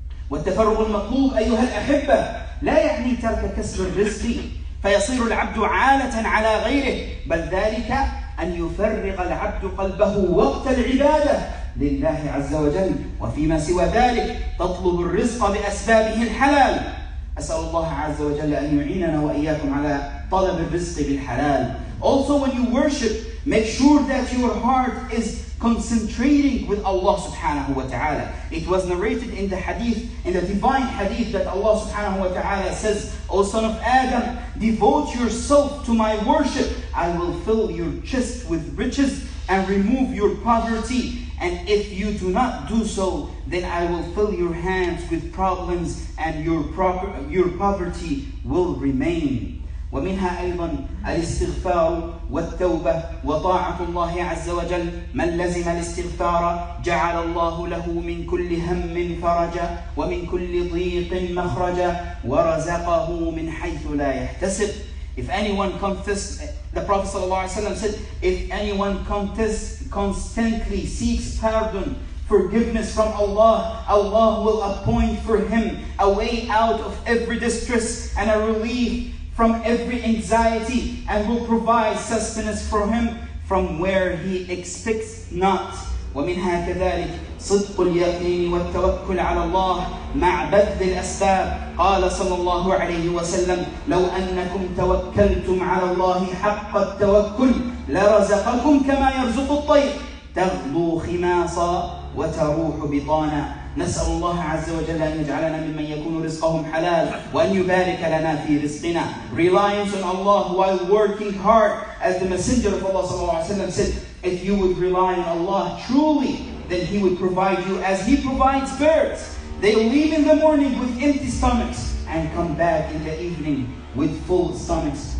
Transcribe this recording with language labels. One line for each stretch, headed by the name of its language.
Arabic: والتفرغ المطلوب أيها الأحبة لا يعني ترك كسب الرزق فيصير العبد عالة على غيره، بل ذلك أن يفرغ العبد قلبه وقت العبادة لله عز وجل. وفيما سوى ذلك تطلب الرزق بأسبابه الحلال. أسأل الله عز وجل أن يعيننا وإياكم على طلب الرزق بالحلال.
English: Also when you worship, make sure that your heart is concentrating with Allah subhanahu wa ta'ala. It was narrated in the hadith, in the divine hadith, that Allah subhanahu wa ta'ala says, O son of Adam, devote yourself to my worship. I will fill your chest with riches and remove your poverty. And if you do not do so, then I will fill your hands with problems and your poverty will remain.
Arabic: ومنها أيضا الاستغفار والتوبة وطاعة الله عز وجل. من لزم الاستغفار جعل الله له من كل هم فرجا ومن كل ضيق مخرجا ورزقه من حيث لا يحتسب.
English: If anyone confesses, the Prophet
Arabic: صلى الله عليه وسلم
English: said, if anyone constantly seeks pardon, forgiveness from Allah, Allah will appoint for him a way out of every distress and a relief from every anxiety, and will provide sustenance for him from where he expects not.
Arabic: ومنها كذلك صدق اليقين والتوكل على الله مع بذل الأسباب. قال صلى الله عليه وسلم لو أنكم توكلتم على الله حق التوكل لرزقكم كما يرزق الطير تغدو خماصا وتروح بطانا. نسأل الله عز وجل أن يجعلنا ممن يكون رزقهم حلال وأن يبارك لنا في رزقنا.
English: Reliance on Allah while working hard, as the Messenger of Allah
Arabic: صلى الله عليه وسلم
English: said, if you would rely on Allah truly, then He would provide you as He provides birds. They leave in the morning with empty stomachs and come back in the evening with full stomachs.